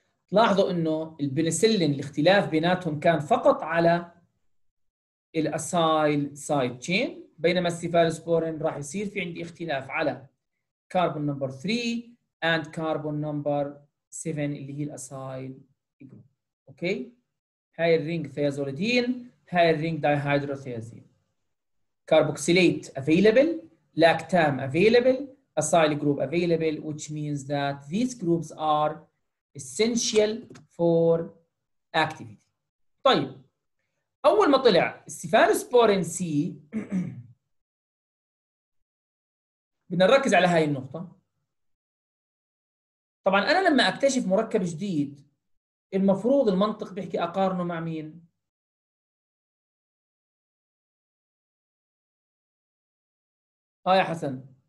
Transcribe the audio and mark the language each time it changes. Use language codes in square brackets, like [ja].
[ar] تلاحظوا انه البنسلين الاختلاف بيناتهم كان فقط على الاسايل سايد تشين، بينما السيفالوسبورين راح يصير في عندي اختلاف على كاربون نمبر 3 اند كاربون نمبر 7 اللي هي الاسايل جروب. اوكي، هاي الرينج ثيازولدين، هاي الرينج دايهايدروثيازين. كاربوكسيليت افيلبل، لاكتام افيلبل، اسايل جروب افيلبل، [en] which means that these groups are essential for activity. [ar] طيب اول ما طلع السيفالوسبورين سي بدنا نركز على هاي النقطه. طبعا انا لما اكتشف مركب جديد المفروض المنطق بيحكي اقارنه مع مين؟ يا حسن،